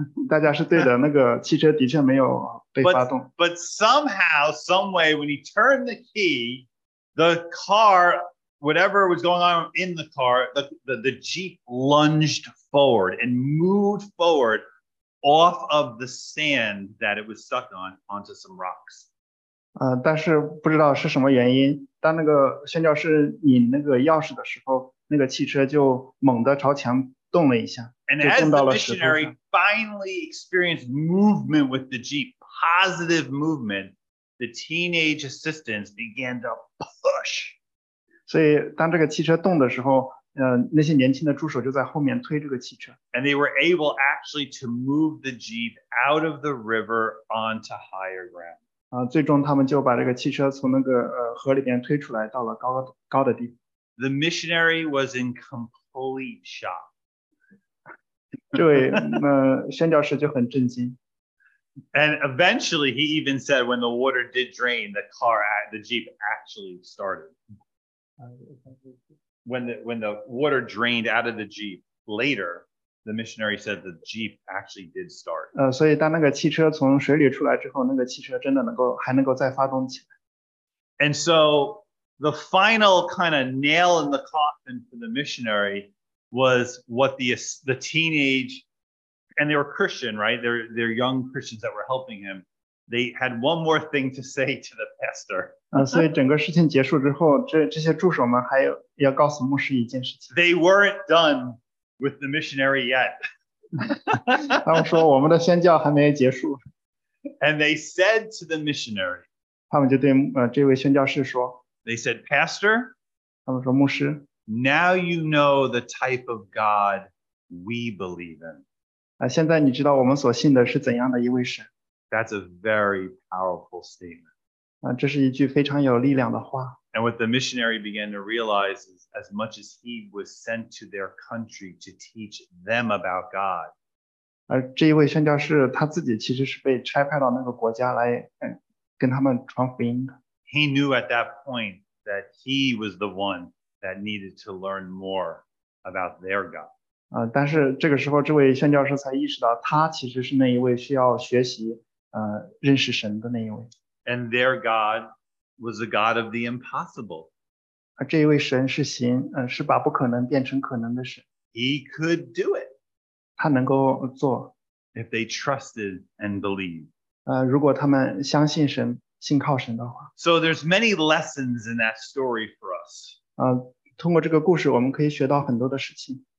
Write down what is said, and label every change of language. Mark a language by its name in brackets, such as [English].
[Chinese] 大家是对的，那个汽车的确没有被发动。 [English] But somehow, some way, when he turned the key, the car, whatever was going on in the car, the Jeep lunged forward and moved forward. Off of the sand that it was stuck on, onto some rocks. [Chinese] 但是不知道是什么原因，当那个宣教士拧那个钥匙的时候，那个汽车就猛地朝前动了一下，就动到了石头上。 [English] And as the missionary finally experienced movement with the Jeep, positive movement, the teenage assistants began to push. [Chinese] 所以当这个汽车动的时候，那些年轻的助手就在后面推这个汽车。 [English] And they were able actually to move the Jeep out of the river onto higher ground. [Chinese] 最终他们就把这个汽车从那个河里面推出来到了高的地方。 [English] The missionary was in complete shock. [Chinese] 这位宣教士就很震惊。 [English] And eventually he even said when the water did drain, the Jeep actually started. When the water drained out of the Jeep later, the missionary said the Jeep actually did start. [Chinese] 所以当那个汽车从水里出来之后，那个汽车真的还能够再发动起来。 [English] And so the final kind of nail in the coffin for the missionary was what the teenage, and they were Christian, right? They're young Christians that were helping him. They had one more thing to say to the pastor. [Chinese] 所以整个事情结束之后，这些助手们还有。要告诉牧师一件事情。 [English] They weren't done with the missionary yet. [Chinese] 他们说我们的宣教还没结束。 [English] And they said to the missionary, [Chinese] 他们就对这位宣教士说, [English] they said, Pastor, [Chinese] 他们说牧师, [English] now you know the type of God we believe in. [Chinese] 现在你知道我们所信的是怎样的一位神。 [English] That's a very powerful statement. [Chinese] 这是一句非常有力量的话。 [English] And what the missionary began to realize is as much as he was sent to their country to teach them about God, [Chinese] 而这一位宣教士他自己其实是被差派到那个国家来跟他们传福音。 [English] He knew at that point that he was the one that needed to learn more about their God. [Chinese] 但是这个时候这位宣教士才意识到他其实是那一位需要学习认识神的那一位。 [English] And their God was the God of the impossible. [Chinese] 这一位神是把不可能变成可能的神。 [English] He could do it. [Chinese] 他能够做。 [English] If they trusted and believed. [Chinese] 如果他们相信神，信靠神的话。 [English] So there's many lessons in that story for us. [Chinese] 通过这个故事我们可以学到很多的事情。